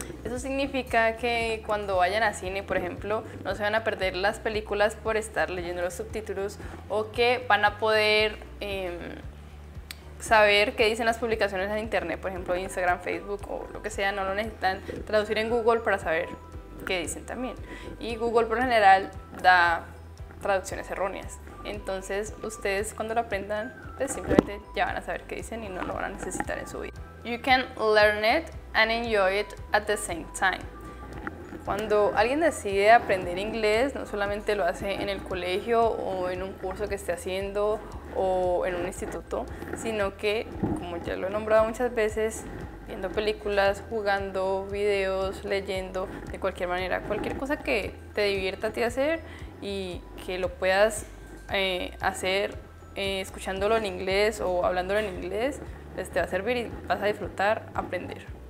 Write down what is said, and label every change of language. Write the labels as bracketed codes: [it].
[es] Eso significa que cuando vayan a cine, por ejemplo, no se van a perder las películas por estar leyendo los subtítulos o que van a poder saber qué dicen las publicaciones en internet, por ejemplo, Instagram, Facebook o lo que sea, no lo necesitan traducir en Google para saber que dicen también. Y Google por general da traducciones erróneas, entonces ustedes cuando lo aprendan pues simplemente ya van a saber qué dicen y no lo van a necesitar en su vida. [en] You can learn it and enjoy it at the same time. [es] Cuando alguien decide aprender inglés, no solamente lo hace en el colegio o en un curso que esté haciendo o en un instituto, sino que, como ya lo he nombrado muchas veces, viendo películas, jugando videos, leyendo, de cualquier manera, cualquier cosa que te divierta a ti hacer y que lo puedas hacer escuchándolo en inglés o hablándolo en inglés, pues te va a servir y vas a disfrutar aprender.